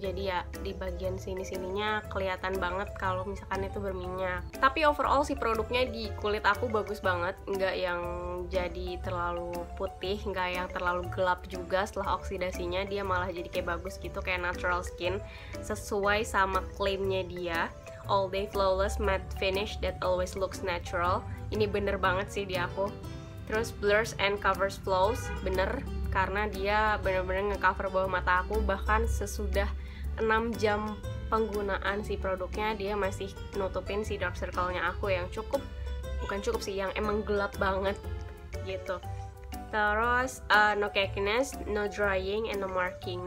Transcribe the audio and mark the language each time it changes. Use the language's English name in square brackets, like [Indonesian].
[Indonesian] Jadi ya di bagian sini-sininya kelihatan banget kalau misalkan itu berminyak. Tapi overall si produknya di kulit aku bagus banget, nggak yang jadi terlalu putih, nggak yang terlalu gelap juga setelah oksidasinya, dia malah jadi kayak bagus gitu, kayak natural skin sesuai sama klaimnya dia. [English] All day flawless matte finish that always looks natural. [Indonesian] Ini bener banget sih di aku. Terus [English] blurs and covers flaws, [Indonesian] bener, karena dia bener-bener ngecover bawah mata aku. Bahkan sesudah 6 jam penggunaan si produknya, dia masih nutupin si dark circle-nya aku yang cukup, bukan cukup sih, yang emang gelap banget gitu. [English] Terus no cakiness, no drying and no marking.